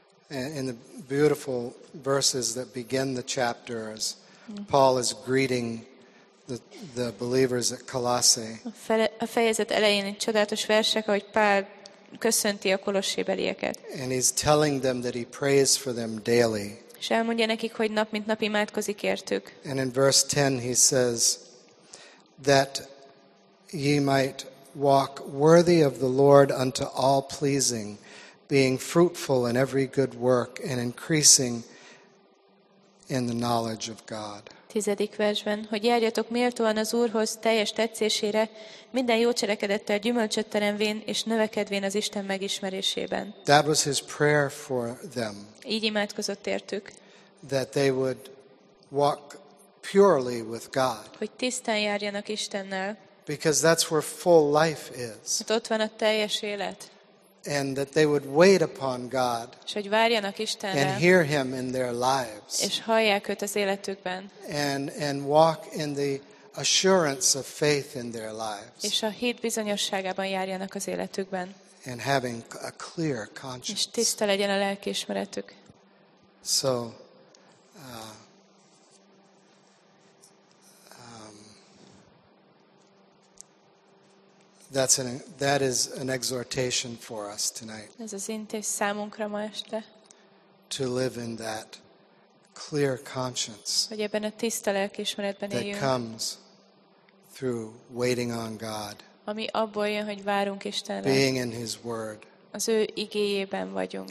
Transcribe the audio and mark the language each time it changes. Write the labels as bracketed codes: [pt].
[en] In the beautiful verses that begin the chapter as Paul is greeting the believers at Colossae. [hu] A fejezet elején egy csodálatos versek, ahogy Pál köszönti a kolossé belieket. [en] And he's telling them that he prays for them daily. [hu] És elmondja nekik, hogy nap mint nap imádkozik értük. [en] And in verse 10 he says that ye might walk worthy of the Lord unto all pleasing, being fruitful in every good work and increasing in the knowledge of God. [hu] 10. versben, hogy járjatok méltóan az Úrhoz teljes tetszésére, minden jó cselekedettel gyümölcsöt teremvén és növekedvén az Isten megismerésében. [en] That was his prayer for them. [hu] Így imádkozott értük. [en] That they would walk purely with God. [hu] Hogy tisztán járjanak Istennel. [en] Because that's where full life is. [hu] Hát ott van a teljes élet. [en] And that they would wait upon God. [hu] És hogy várjanak Istenre. [en] And hear him in their lives. [hu] És hallják őt az életükben. [en] And walk in the assurance of faith in their lives. [hu] És a hit bizonyosságában járjanak az életükben. [en] And having a clear conscience. [hu] És tiszta legyen a lelkiismeretük. [en] So that is an exhortation for us tonight. [hu] Ez az intés számunkra ma este. [en] To live in that clear conscience. [hu] Hogy ebben a tiszta lelkiismeretben éljünk. [en] That comes through waiting on God. [hu] Ami abból jön, hogy várunk Istenre. [en] Being in his word. [hu] Az ő igéjében vagyunk.